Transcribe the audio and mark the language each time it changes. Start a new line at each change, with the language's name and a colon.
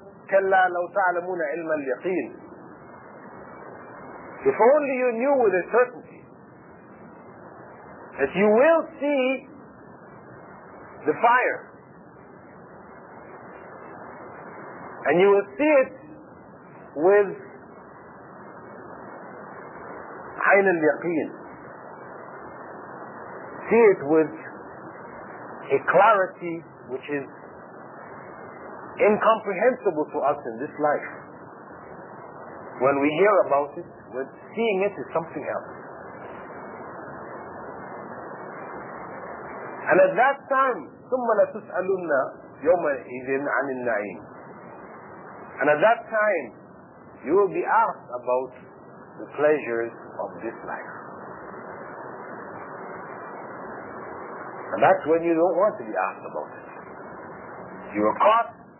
Arabic: كلا لو تعلمون علم اليقين.
English: If only you knew with a certainty that you will see the fire and you will see it with
Arabic: عين اليقين,
English: see it with a clarity which is incomprehensible to us in this life. When we hear about it, when seeing it is something else. And at that time,
Arabic: ثُمَّ لَتُسْأَلُنَّ يَوْمَئِذٍ عَنِ النَّعِيمِ.
English: And at that time, you will be asked about the pleasures of this life. And that's when you don't want to be asked about it. You are caught.